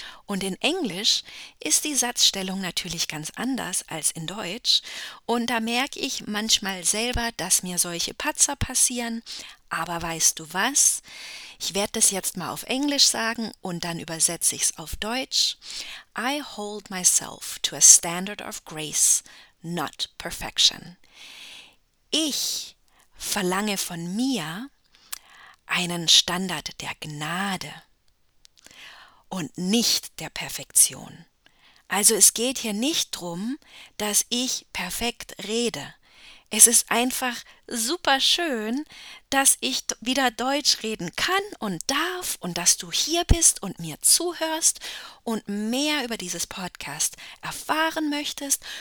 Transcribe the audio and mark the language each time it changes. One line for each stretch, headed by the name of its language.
German: Und in Englisch ist die Satzstellung natürlich ganz anders als in Deutsch. Und da merke ich manchmal selber, dass mir solche Patzer passieren. Aber weißt du was? Ich werde das jetzt mal auf Englisch sagen und dann übersetze ich es auf Deutsch.
English: I hold myself to a standard of grace, not perfection.
German: Ich verlange von mir einen Standard der Gnade und nicht der Perfektion. Also es geht hier nicht darum, dass ich perfekt rede. Es ist einfach super schön, dass ich wieder Deutsch reden kann und darf und dass du hier bist und mir zuhörst und mehr über dieses Podcast erfahren möchtest.